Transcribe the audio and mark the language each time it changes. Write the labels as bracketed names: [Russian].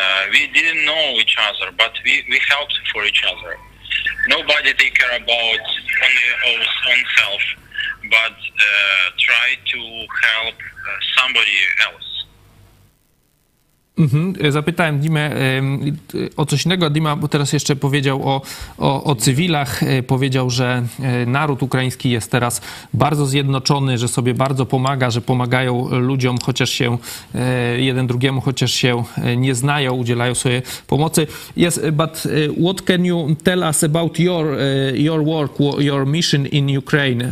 [English] We didn't know each other, but we helped for each other. Nobody take care about only our own self, but try to help somebody else. Mm-hmm. [Polish] Zapytałem Dimę o coś innego. Dima teraz jeszcze powiedział o cywilach. Powiedział, że naród ukraiński jest teraz bardzo zjednoczony, że sobie bardzo pomaga, że pomagają ludziom, chociaż się jeden drugiemu, chociaż się nie znają, udzielają sobie pomocy. [English] Yes, but what can you tell us about your work, your mission in Ukraine?